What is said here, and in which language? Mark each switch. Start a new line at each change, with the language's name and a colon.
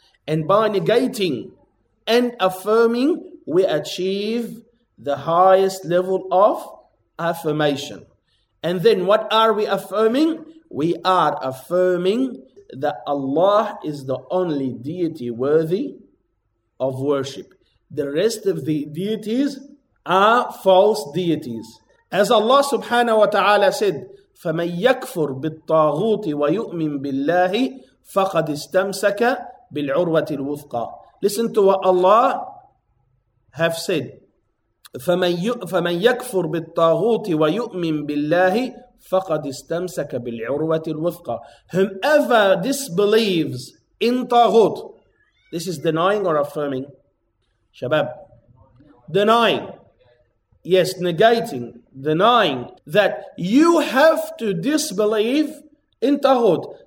English: And by negating and affirming, we achieve the highest level of affirmation. And then what are we affirming? We are affirming that Allah is the only deity worthy of worship. The rest of the deities are false deities. As Allah subhanahu wa ta'ala said,
Arabic: فَمَنْ يَكْفُرْ بِالطَّاغُوتِ وَيُؤْمِنْ بِاللَّهِ فَقَدْ اسْتَمْسَكَ بِالْعُرْوَةِ الْوُثْقَى.
English: Listen to what Allah have said.
Arabic: فَمَنْ يَكْفُرْ بِالطَّاغُوتِ وَيُؤْمِنْ بِاللَّهِ فَقَدْ اسْتَمْسَكَ بِالْعُرْوَةِ الْوُثْقَى.
English: Whomever disbelieves in طاغوت, this is denying or affirming, Shabab, denying, yes, negating, denying that you have to disbelieve in Taghut.